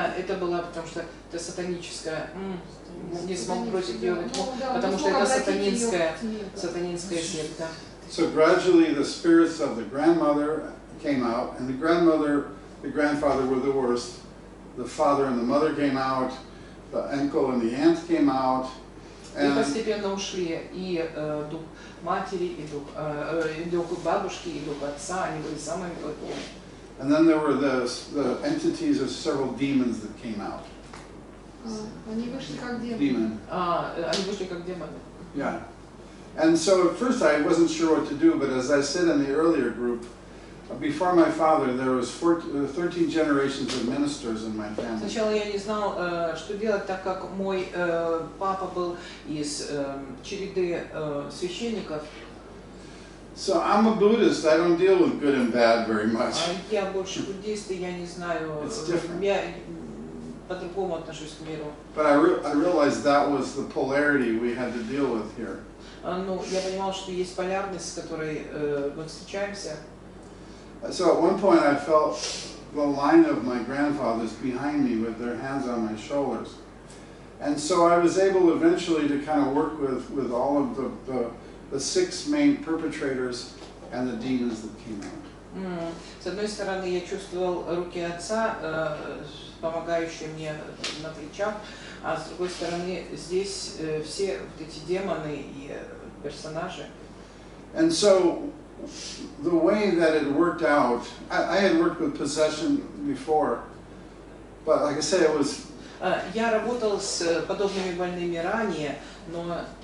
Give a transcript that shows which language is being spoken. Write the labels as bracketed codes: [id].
[ru] Да, это была, потому что это сатаническая. Не смог бросить ее во тьму, потому что это сатанинская смерть. [en] So gradually the spirits of the grandmother came out, and the grandmother, the grandfather were the worst. The father and the mother came out, the uncle and the aunt came out, and [ru] постепенно ушли и дух матери, и дух бабушки, и дух отца, они были самыми плохими. [en] And then there were the entities of several demons that came out. [ru] Они вышли как демоны. Они вышли как демоны. [en] Yeah. And so at first I wasn't sure what to do, but as I said in the earlier group, before my father, there was 13 generations of ministers in my family. [ru] Сначала я не знал, что делать, так как мой папа был из череды священников. [en] So I'm a Buddhist. I don't deal with good and bad very much. [ru] Я больше буддист, я не знаю. [en] It's different. [ru] Я по-другому отношусь к миру. [en] But I realized that was the polarity we had to deal with here. [ru] Я понимал, что есть полярность, с которой мы встречаемся. [en] So at one point I felt the line of my grandfathers behind me with their hands on my shoulders. And so I was able eventually to kind of work with all of the six main perpetrators and the demons that came out. [ru] С одной стороны, я чувствовал руки отца, помогающие мне на плечах, а с другой стороны, здесь все вот эти демоны и персонажи. [en] And so the way that it worked out, I had worked with possession before, but like I said, it was. [ru] Я работал с подобными больными ранее, но.